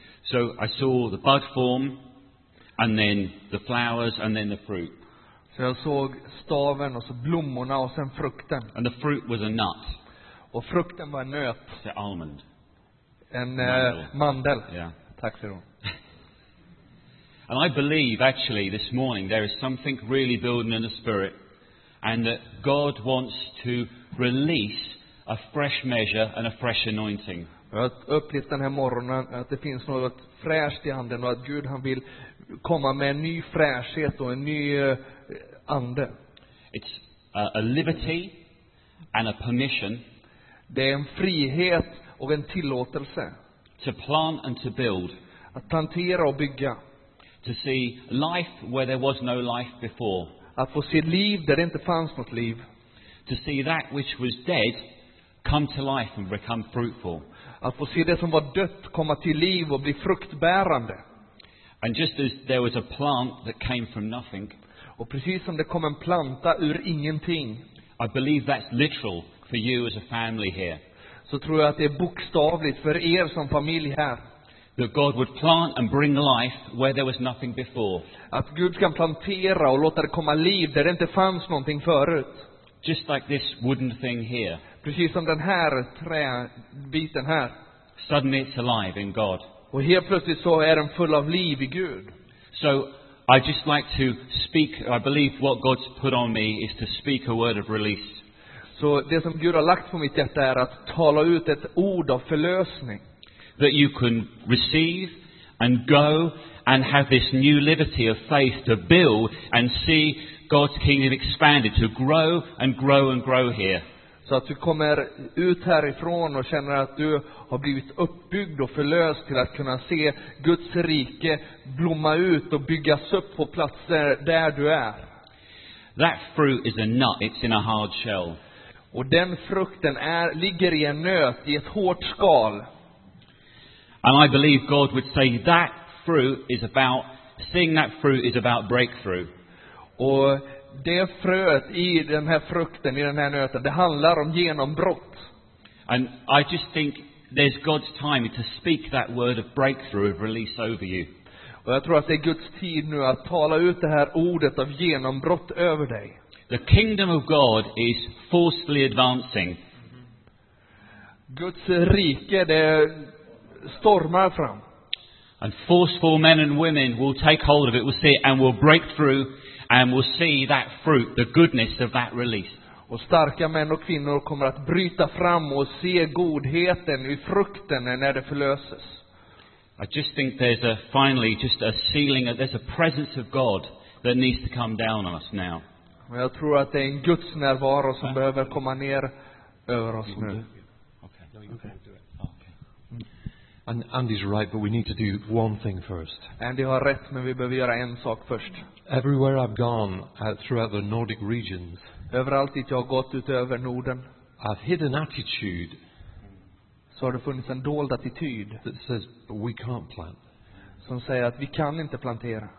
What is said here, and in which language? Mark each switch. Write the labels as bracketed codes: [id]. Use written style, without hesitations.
[en] So I saw the bud form and then the flowers and then the fruit. [sv] Så jag såg staven och så blommorna och sen frukten. [en] And the fruit was a nut. [sv] Och frukten var en nöt. [en] The almond. [sv] En mandel. Yeah. Tack för det. [en] And I believe actually this morning there is something really building in the spirit and that God wants to release a fresh measure and a fresh anointing. [sv] Jag upplevde den här morgonen att det finns något fräscht i anden och att Gud han vill komma med en ny fräschhet och en ny ande. [en] It's a liberty and a permission. [sv] Det är en frihet och en tillåtelse. [en] To plant and to build. [sv] Att plantera och bygga. [en] To see life where there was no life before. [sv] Att få se liv där det inte fanns något liv. [en] To see that which was dead come to life and become fruitful. [sv] Att få se det som var dött komma till liv och bli fruktbärande. [en] And just as there was a plant that came from nothing. [sv] Och precis som det kom en planta ur ingenting. [en] I believe that's literal for you as a family here. [sv] Så tror jag att det är bokstavligt för er som familj här. [en] That God would plant and bring life where there was nothing before. [sv] Att Gud kan plantera och låta det komma liv där det inte fanns någonting förut. [en] Just like this wooden thing here. [sv] Precis som den här träbiten här. [en] Suddenly it's alive in God. [sv] Och helt plötsligt så är den full av liv i Gud. [en] So I just like to speak. I believe what God's put on me is to speak a word of release. [sv] Så det som Gud har lagt på mitt hjärta är att tala ut ett ord av förlösning. [en] That you can receive and go and have this new liberty of faith to build and see God's kingdom expanded, to grow and grow and grow here. [sv] Så att du kommer ut härifrån och känner att du har blivit uppbyggd och förlöst till att kunna se Guds rike blomma ut och byggas upp på platser där du är. [en] That fruit is a nut, it's in a hard shell. [sv] Och den frukten ligger i en nöt, i ett hårt skal. [en] And I believe God would say that fruit is about, seeing that fruit is about breakthrough. [sv] Och det fröet i den här frukten, i den här nöten, det handlar om genombrott. [en] And I just think there's God's time to speak that word of breakthrough, of release over you. [sv] Och jag tror att det är Guds tid nu att tala ut det här ordet av genombrott över dig. [en] The kingdom of God is forcefully advancing. [sv] Guds rike, det är stormar fram. [en] And forceful men and women will take hold of it, will see it, and will break through, and will see that fruit, the goodness of that release. [sv] Och starka män och kvinnor kommer att bryta fram och se godheten i frukten när det förlöses. [en] I just think there's a finally just a sealing, there's a presence of God that needs to come down on us now. [sv] Och jag tror att det är en Guds närvaro som behöver komma ner över oss nu. [en] And Andy's right, but we need to do one thing first. [sv] Andy har rätt, men vi behöver göra en sak först. [en] Everywhere I've gone throughout the Nordic regions. [sv] Överallt dit jag har gått utöver Norden. [en] I've hid an attitude. [sv] Så har det funnits en dold attityd. [en] That says we can't plant. [sv] Som säger att vi kan inte plantera.